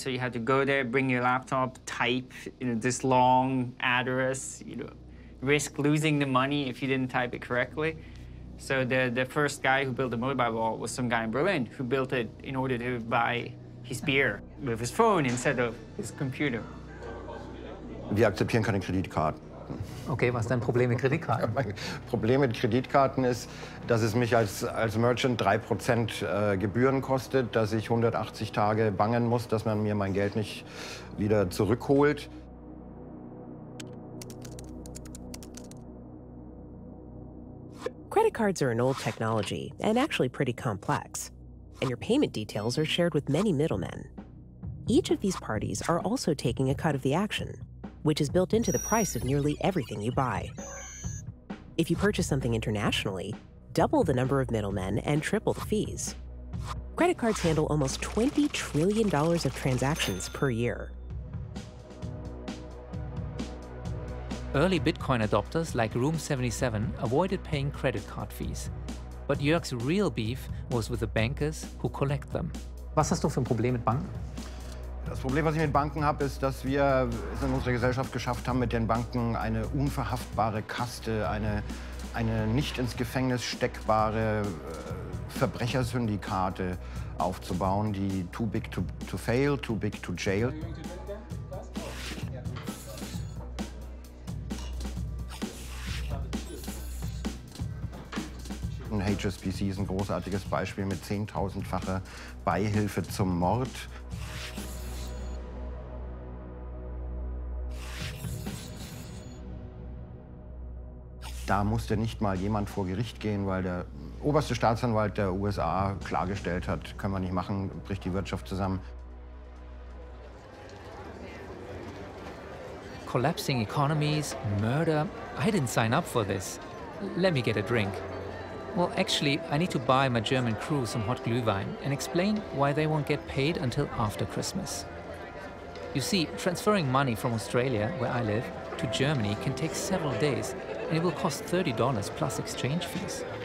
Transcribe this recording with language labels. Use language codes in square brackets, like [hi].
[en] So you had to go there, bring your laptop, type, you know, this long address, you know, risk losing the money if you didn't type it correctly. So the first guy who built the mobile wall was some guy in Berlin who built it in order to buy his beer with his phone instead of his computer. [de] Wir akzeptieren keine Kreditkarten. Okay, was ist dein Problem mit Kreditkarten? Mein Problem mit Kreditkarten ist, dass es mich als Merchant 3% Gebühren kostet, dass ich 180 Tage bangen muss, dass man mir mein Geld nicht wieder zurückholt. [en] Credit cards are an old technology and actually pretty complex, and your payment details are shared with many middlemen. Each of these parties are also taking a cut of the action, which is built into the price of nearly everything you buy. If you purchase something internationally, double the number of middlemen and triple the fees. Credit cards handle almost $20 trillion of transactions per year. Early Bitcoin adopters like Room 77 avoided paying credit card fees. But Jörg's real beef was with the bankers who collect them. [de] Was hast du für ein Problem mit Banken? Das Problem, was ich mit Banken habe, ist, dass wir es in unserer Gesellschaft geschafft haben, mit den Banken eine unverhaftbare Kaste, eine nicht ins Gefängnis steckbare Verbrechersyndikate aufzubauen, die [en] too big to fail, too big to jail. [de] HSBC ist ein großartiges Beispiel mit 10.000-facher Beihilfe zum Mord. Da musste nicht mal jemand vor Gericht gehen, weil der oberste Staatsanwalt der USA klargestellt hat, können wir nicht machen, bricht die Wirtschaft zusammen. [en] Collapsing economies, murder, I didn't sign up for this. Let me get a drink. Well, actually, I need to buy my German crew some hot Glühwein and explain why they won't get paid until after Christmas. You see, transferring money from Australia, where I live, to Germany can take several days, and it will cost $30 plus exchange fees.